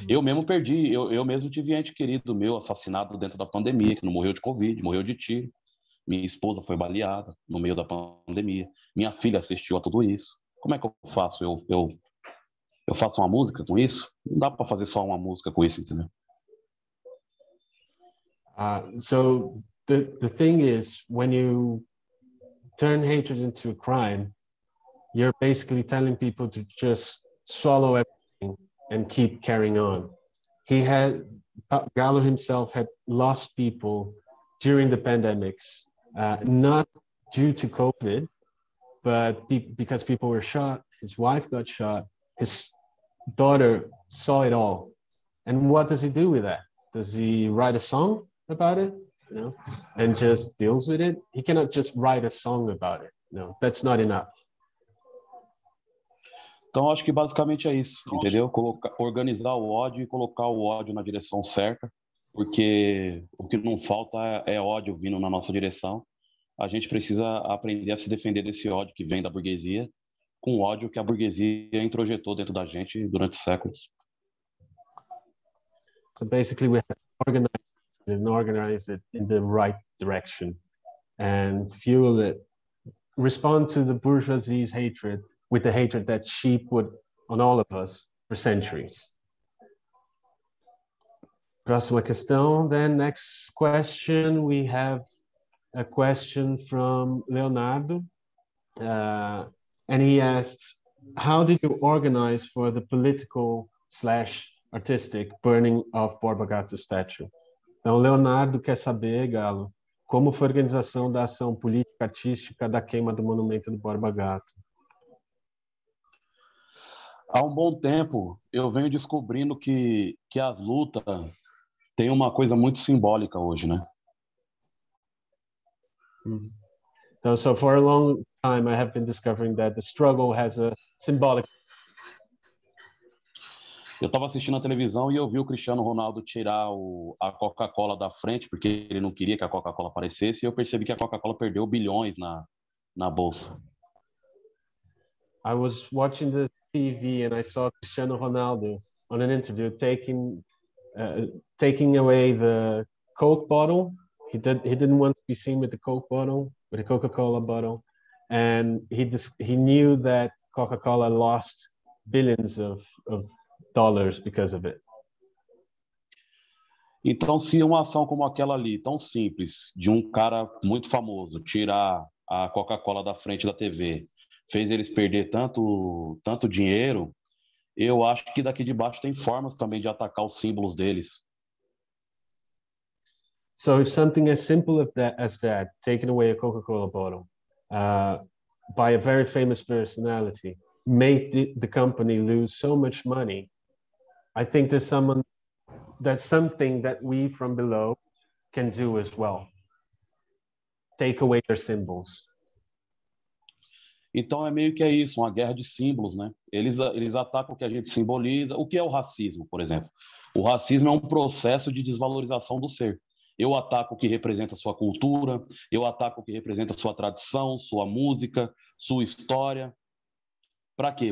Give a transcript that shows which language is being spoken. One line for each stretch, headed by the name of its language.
Portuguese: Eu mesmo perdi, eu mesmo tive ente querido meu assassinado dentro da pandemia, que não morreu de Covid, morreu de tiro. Minha esposa foi baleada no meio da pandemia. Minha filha assistiu a tudo isso. Como é que eu faço? Eu faço uma música com isso? Não dá para fazer só uma música com isso, entendeu?
English: So the thing is, when you turn hatred into a crime, you're basically telling people to just swallow everything and keep carrying on. Galo himself had lost people during the pandemics. Not due to COVID, but because people were shot, his wife got shot, his daughter saw it all. And what does he do with that? Does he write a song about it, you know, and just deals with it? He cannot just write a song about it. No, that's not enough.
Portuguese: Então, acho que basicamente é isso, entendeu? Organizar o ódio e colocar o ódio na direção certa, porque o que não falta é ódio vindo na nossa direção. A gente precisa aprender a se defender desse ódio que vem da burguesia, com o ódio que a burguesia introjetou dentro da gente durante séculos.
English: So basically we have to organize it in the right direction and fuel it, respond to the bourgeoisie's hatred with the hatred that she put on all of us for centuries.
Portuguese: Próxima questão,
English: then next question we have a question from Leonardo, and he asks, how did you organize for the political/artistic burning of Borba Gato's statue?
Portuguese: Então, Leonardo quer saber, Galo, como foi a organização da ação política-artística da queima do monumento do Borba Gato? Há um bom tempo, eu venho descobrindo que as lutas têm uma coisa muito simbólica hoje, né?
English: Então, so for a long time, I have been discovering that the struggle has a symbolic.
Portuguese: Eu estava assistindo a televisão e eu vi o Cristiano Ronaldo tirar a Coca-Cola da frente porque ele não queria que a Coca-Cola aparecesse. E eu percebi que a Coca-Cola perdeu bilhões na bolsa.
English: I was watching the TV and I saw Cristiano Ronaldo on an interview taking away the Coke bottle. He didn't want to be seen with the Coke bottle, with the Coca-Cola bottle, and he knew that Coca-Cola lost billions of dollars because of it.
Portuguese: Então, se uma ação como aquela ali, tão simples, de um cara muito famoso, tirar a Coca-Cola da frente da TV, fez eles perder tanto dinheiro, eu acho que daqui de baixo tem formas também de atacar os símbolos deles.
English: So if something as simple as that, taking away a Coca-Cola bottle by a very famous personality, made the company lose so much money, I think that's something that we from below can do as well. Take away their symbols.
Portuguese: Então é meio que é isso, uma guerra de símbolos, né? Eles atacam o que a gente simboliza. O que é o racismo, por exemplo? O racismo é um processo de desvalorização do ser. Eu ataco o que representa a sua cultura, eu ataco o que representa a sua tradição, sua música, sua história. Para quê?